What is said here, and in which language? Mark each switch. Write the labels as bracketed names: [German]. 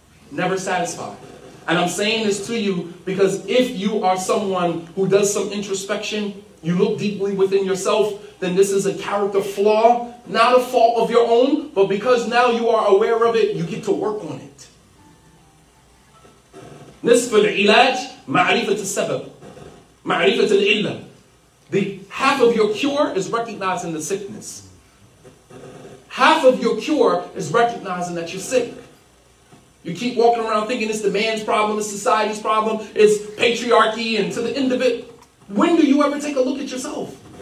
[English] Never satisfied. And I'm saying this to you because if you are someone who does some introspection, you look deeply within yourself, then this is a character flaw, not a fault of your own, but because now you are aware of it, you get to work on it. [Arabic] نصف العلاج معرفة السبب معرفة العلة. [English] The half of your cure is recognizing the sickness. Half of your cure is recognizing that you're sick. You keep walking around thinking it's the man's problem, it's society's problem, it's patriarchy, and to the end of it, when do you ever take a look at yourself?